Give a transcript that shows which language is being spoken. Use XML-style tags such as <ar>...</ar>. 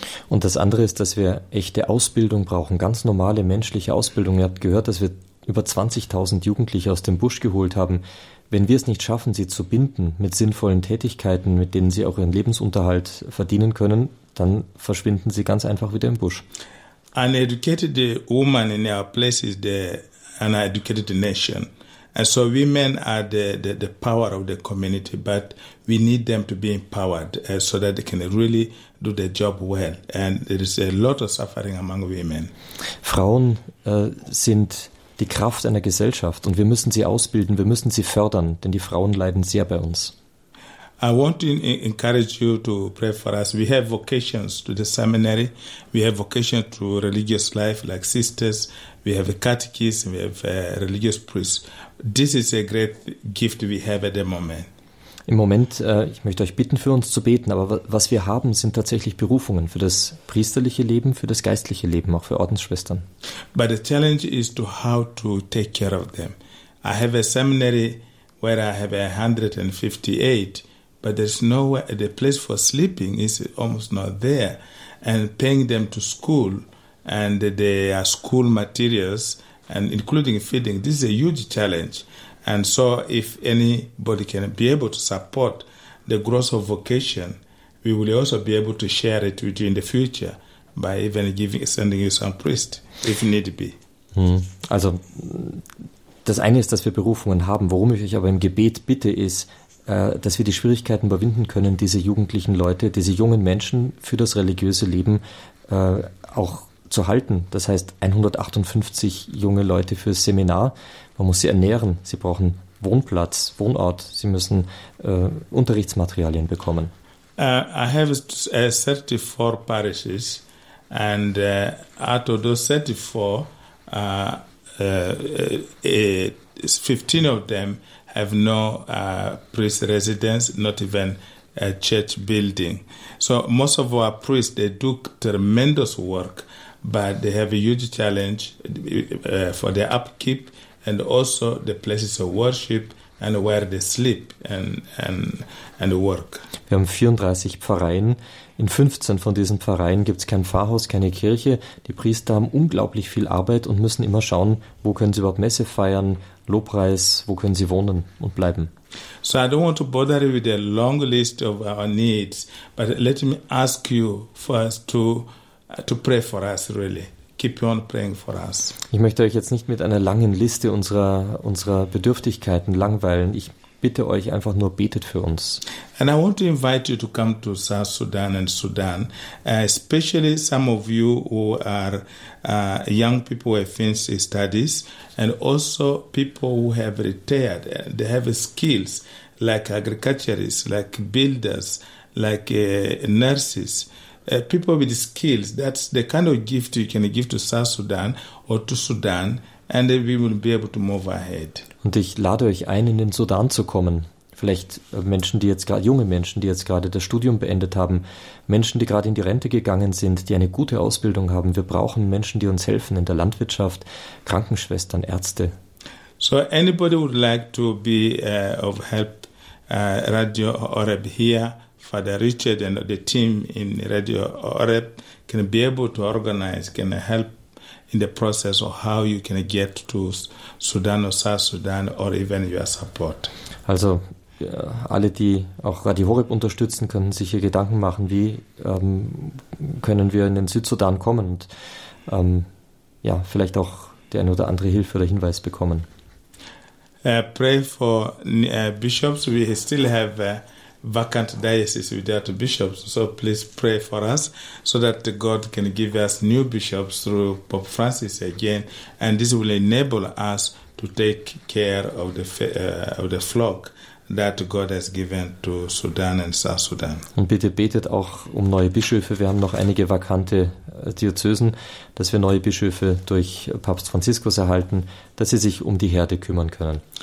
<de>Und das andere ist, dass wir echte Ausbildung brauchen, ganz normale menschliche Ausbildung. Ihr habt gehört, dass wir über 20.000 Jugendliche aus dem Busch geholt haben. Wenn wir es nicht schaffen, sie zu binden mit sinnvollen Tätigkeiten, mit denen sie auch ihren Lebensunterhalt verdienen können, dann verschwinden sie ganz einfach wieder im Busch.</de> <en>An educated woman in our place is the an educated nation. And so women are the power of the community, but we need them to be empowered so that they can really do their job well. And there is a lot of suffering among women.</en> <de>Frauen sind die Kraft einer Gesellschaft und wir müssen sie ausbilden, wir müssen sie fördern, denn die Frauen leiden sehr bei uns.</de> <en>I want to encourage you to pray for us. We have vocations to the seminary. We have vocation to religious life like sisters. We have a catechist. We have a religious priest. This is a great gift we have at the moment.</en> <de>Im Moment, ich möchte euch bitten, für uns zu beten, aber was wir haben, sind tatsächlich Berufungen für das priesterliche Leben, für das geistliche Leben, auch für Ordensschwestern.</de> <en>But the challenge is to how to take care of them. I have a seminary where I have 158, but there's nowhere, the place for sleeping is almost not there. And paying them to school and their school materials and including feeding, this is a huge challenge. And so if anybody can be able to support the growth of vocation, we will also be able to share it with you in the future by even giving, sending you some priest, if need be.</en> <de>Also, das eine ist, dass wir Berufungen haben. Worum ich euch aber im Gebet bitte, ist, dass wir die Schwierigkeiten überwinden können, diese jugendlichen Leute, diese jungen Menschen für das religiöse Leben auch zu halten. Das heißt, 158 junge Leute fürs Seminar. Man muss sie ernähren, sie brauchen Wohnplatz, Wohnort, sie müssen Unterrichtsmaterialien bekommen.</de> <en>I have 34 parishes and out of those 34, 15 of them have no priest residence, not even a church building. So most of our priests, they do tremendous work, but they have a huge challenge for their upkeep. And also the places of worship and where they sleep and work.</en> <de>Wir haben 34 Pfarreien. In 15 von diesen Pfarreien gibt es kein Pfarrhaus, keine Kirche. Die Priester haben unglaublich viel Arbeit und müssen immer schauen, wo können sie überhaupt Messe feiern, Lobpreis, wo können sie wohnen und bleiben.</de> <en>So I don't want to bother you with a long list of our needs, but let me ask you first to pray for us really. Keep on praying for us.</en> <de>Ich möchte euch jetzt nicht mit einer langen Liste unserer Bedürftigkeiten langweilen. Ich bitte euch einfach nur, betet für uns.</de> <en>And I want to invite you to come to South Sudan and Sudan, especially some of you who are young people who have finished studies and also people who have retired. They have skills like agriculturists, like builders, like nurses. People with skills, that's the kind of gift you can give to South Sudan or to Sudan, and we will be able to move ahead.</en> <de>Und ich lade euch ein, in den Sudan zu kommen. Vielleicht Menschen, die jetzt gerade, junge Menschen, die jetzt gerade das Studium beendet haben, Menschen, die gerade in die Rente gegangen sind, die eine gute Ausbildung haben. Wir brauchen Menschen, die uns helfen in der Landwirtschaft, Krankenschwestern, Ärzte.</de> <en>So anybody would like to be of help, Radio Horeb here, Father Richard and the team in Radio Horeb can be able to organize, can help in the process of how you can get to Sudan or South Sudan or even your support.</en> <de>Also, alle, die auch Radio Horeb unterstützen, können sich hier Gedanken machen, wie können wir in den Südsudan kommen und ja, vielleicht auch die eine oder andere Hilfe oder Hinweis bekommen.</de> <en>Pray for bishops. We still have vacant diocese without bishops, so please pray for us so that God can give us new bishops through Pope Francis again, and this will enable us to take care of the flock that God has given to Sudan and South Sudan.</en> <de>Und bitte betet auch um neue Bischöfe. Wir haben noch einige vakante Diözesen, dass wir neue Bischöfe durch Papst Franziskus erhalten, dass sie sich um die Herde kümmern können.</de>